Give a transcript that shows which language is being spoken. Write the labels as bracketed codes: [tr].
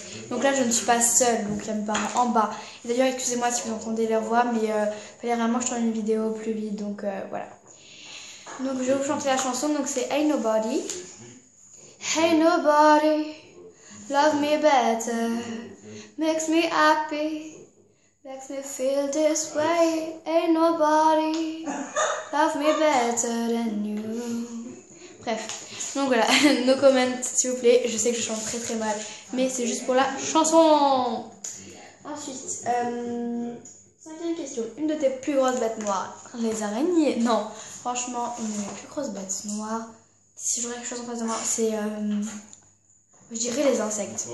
[fr] Donc là, je ne suis pas seule, donc il y a mes parents en bas. D'ailleurs, excusez-moi si vous entendez leur voix, mais il fallait vraiment que je tourne une vidéo plus vite, donc voilà. Donc je vais vous chanter la chanson, donc c'est Hey Nobody. [en] Hey Nobody, love me better. Makes me happy, makes me feel this way. Ain't nobody love me better than you. [fr] Bref, donc voilà, [en] no comment [fr] s'il vous plaît. Je sais que je chante très très mal, mais c'est juste pour la chanson. Ensuite, cinquième question. Une de tes plus grosses bêtes noires? Les araignées? Non, franchement, une de mes plus grosses bêtes noires, si j'aurais quelque chose en face de moi, c'est... je dirais les insectes.